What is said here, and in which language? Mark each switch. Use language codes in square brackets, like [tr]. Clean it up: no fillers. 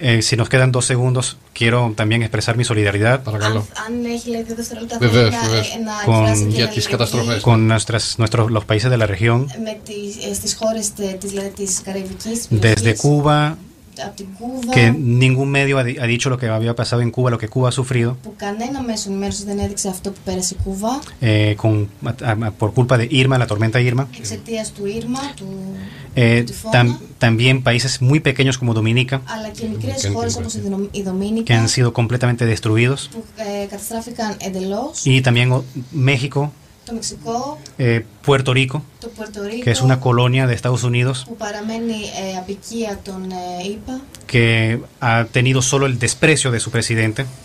[es] Si nos quedan 2 segundos, quiero también expresar mi solidaridad. [el] Παρακαλώ. Αν έχει 2 δευτερόλεπτα, για τις καταστροφές. [es] Con los países de la región. [el] Με τις χώρες της Καραϊβικής. [es] Desde Cuba. [el] Από την Κούβα. [es] Que ningún medio ha dicho lo que había pasado en Cuba, lo que Cuba ha sufrido. [el] Που κανένα μέσο ενημέρωσης δεν έδειξε αυτό που πέρασε η Κούβα. [es] Por culpa de Irma, la tormenta Irma. [el] Εξαιτίας του Irma, του. [es] También países muy pequeños como Dominica, [el] αλλά και μικρές χώρες όπως η Dominica, [es] que han sido completamente destruidos, [el] που καταστράφηκαν εντελώς, [es] y también México, [el] το Μεξικό, [es] Puerto Rico, [el] το Puerto Rico, [es] que es una colonia de Estados Unidos, [el] που παραμένει απικία των ΗΠΑ, [es] que ha tenido solo el desprecio de su presidente,